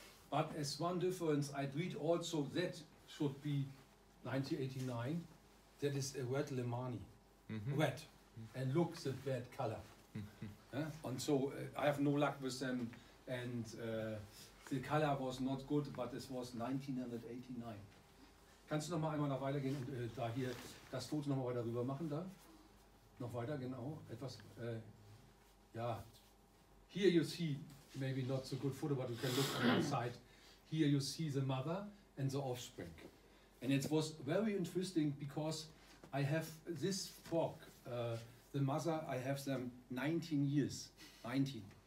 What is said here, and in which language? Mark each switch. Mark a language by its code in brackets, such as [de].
[en] But as one difference, I read also that should be 1989, that is a red Lemani, mm-hmm. red. Mm-hmm. And look, the red color. Mm-hmm. And so I have no luck with them, and the color was not good, but this was 1989. [de] Kannst du noch mal einmal nach weiter gehen und da hier das Foto noch mal weiter rüber machen, da? Noch weiter, genau, etwas, ja. [en] Here you see, maybe not so good photo, but you can look on the side. Here you see the mother and the offspring. And it was very interesting because I have this fork, the mother, I have them 19 years, 19.